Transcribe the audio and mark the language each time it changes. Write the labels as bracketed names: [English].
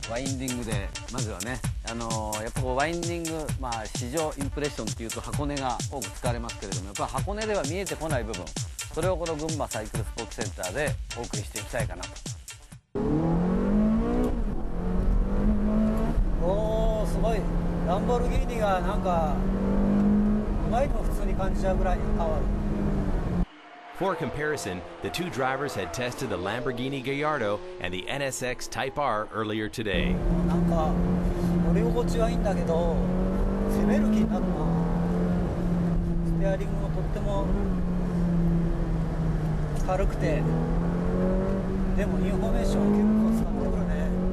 [Japanese] で、ワインディングでまずはね、やっぱこうワインディング、まあ試乗インプレッションっていうと箱根が多く使われますけれども、やっぱ箱根では見えてこない部分、それをこの群馬サイクルスポーツセンターでお送りしていきたいかなと。おお、すごい、ランボルギーニがなんか前も普通に感じちゃうぐらい変わる。 [English] For comparison, the two drivers had tested the Lamborghini Gallardo and the NSX Type R earlier today. [Japanese] なんか乗り心地はいいんだけど、攻める気になるな。ステアリングもとっても軽くて、でもインフォメーション結構使ってくるね。